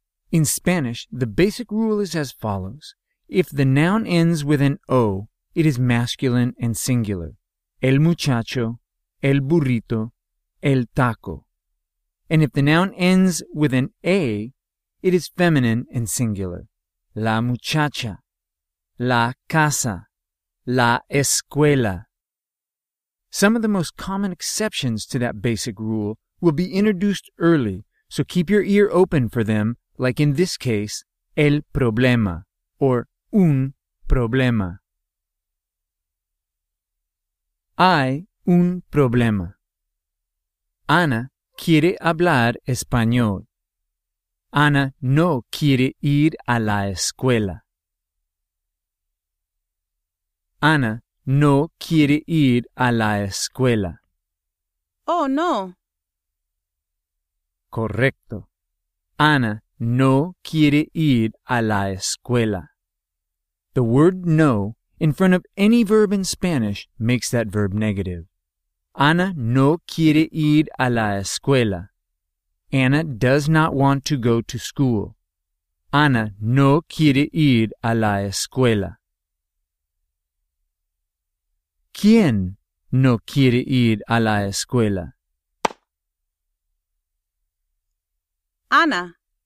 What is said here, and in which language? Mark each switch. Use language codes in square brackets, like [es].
[en] In Spanish, the basic rule is as follows. If the noun ends with an O, it is masculine and singular. [es] El muchacho, el burrito, el taco. [en] And if the noun ends with an A, it is feminine and singular. [es] La muchacha, la casa, la escuela. [en] Some of the most common exceptions to that basic rule will be introduced early, so keep your ear open for them, like in this case, [es] el problema, [en] or [es] un problema. Hay un problema. Ana quiere hablar español. Ana no quiere ir a la escuela. Ana no quiere ir a la escuela. Oh, no. Correcto. Ana no quiere ir a la escuela. [en] The word no in front of any verb in Spanish makes that verb negative. [es] Ana no quiere ir a la escuela. [en] Ana does not want to go to school. [es] Ana no quiere ir a la escuela. ¿Quién no quiere ir a la escuela? Ana.